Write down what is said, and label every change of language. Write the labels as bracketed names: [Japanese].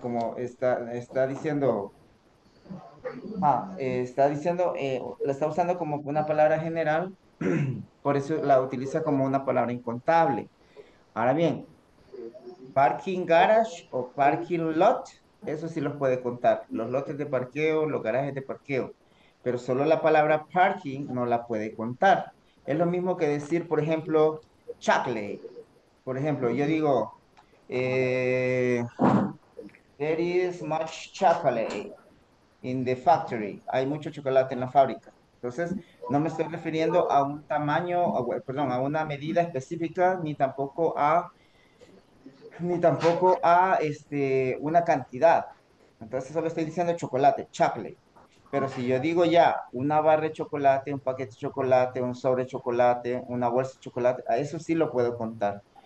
[Spanish] Como está diciendo, está diciendo, la está usando como una palabra general, por eso la utiliza como una palabra incontable. Ahora bien, parking garage o parking lot, eso sí los puede contar, los lotes de parqueo, los garajes de parqueo, pero solo la palabra parking no la puede contar. Es lo mismo que decir, por ejemplo, chacle. Por ejemplo, yo digo, [English] there is much chocolate in the factory. [Spanish] Hay mucho chocolate en la fábrica. Entonces, no me estoy refiriendo a un tamaño, perdón, a una medida específica, ni tampoco a una cantidad. Entonces, solo estoy diciendo chocolate, chocolate. Pero si yo digo ya una barra de chocolate, un paquete de chocolate, un sobre de chocolate, una bolsa de chocolate, a eso sí lo puedo contar.